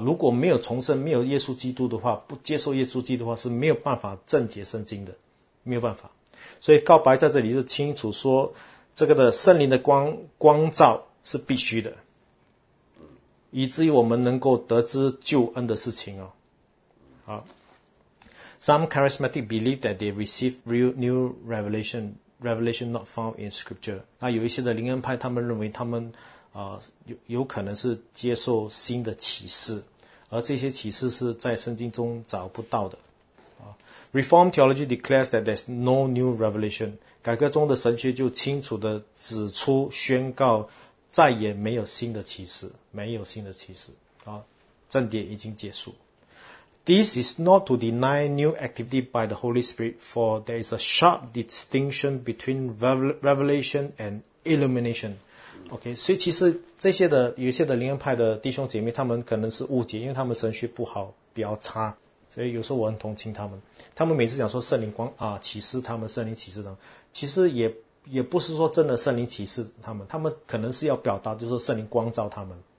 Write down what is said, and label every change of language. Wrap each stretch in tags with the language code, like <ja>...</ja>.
<zh>如果没有重生，没有耶稣基督的话，不接受耶稣基督的话，是没有办法正解圣经的，没有办法。所以告白在这里是清楚说，这个的圣灵的光照是必须的，以至于我们能够得知救恩的事情哦。</zh> <en>好， Some charismatic believe that they receive real new revelation not found in scripture。</en> <zh>那有一些的灵恩派，他们认为他们有可能是接受新的启示，而这些启示是在圣经中找不到的。</zh> <en>Reformed theology declares that there's no new revelation。</en> <zh>改革中的神学就清楚地指出，宣告再也没有新的启示，没有新的启示啊，正典已经结束。</zh> <en>This is not to deny new activity by the Holy Spirit, for there is a sharp distinction between revelation and illumination.</en> <zh>OK, 所以其实这些的有些的灵恩派的弟兄姐妹，他们可能是误解，因为他们神学不好，比较差，所以有时候我很同情他们。他们每次讲说圣灵光啊启示他们，圣灵启示他们，其实也不是说真的圣灵启示他们，他们可能是要表达就是圣灵光照他们</zh>